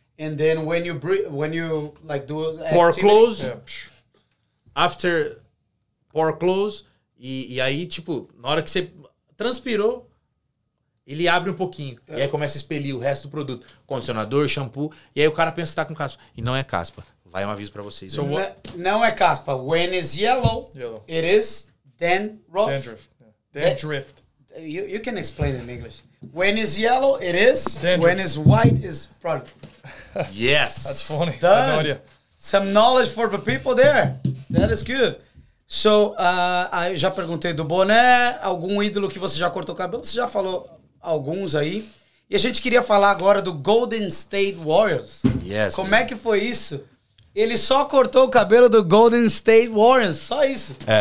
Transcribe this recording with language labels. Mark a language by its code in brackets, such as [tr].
[en] And then when you like do... Pore close. Yeah. After... Pore close, [pt] e aí, tipo, na hora que você transpirou, ele abre um pouquinho. É. E aí começa a expelir o resto do produto. Condicionador, shampoo. E aí o cara pensa que tá com caspa. E não é caspa. Vai um aviso pra vocês. So, não é caspa. [en] When is yellow, it is dandruff. Dandruff. Yeah. Dandruff. You can explain it in English. When is yellow, it is. Dandruff. When is white, is product. Yes. That's funny. Done. I have no idea. Some knowledge for the people there. That is good. [pt] So, já perguntei do boné, algum ídolo que você já cortou cabelo, você já falou alguns aí. E a gente queria falar agora do Golden State Warriors. [en] Yes. [pt] Como man. É que foi isso? Ele só cortou o cabelo do Golden State Warriors, só isso.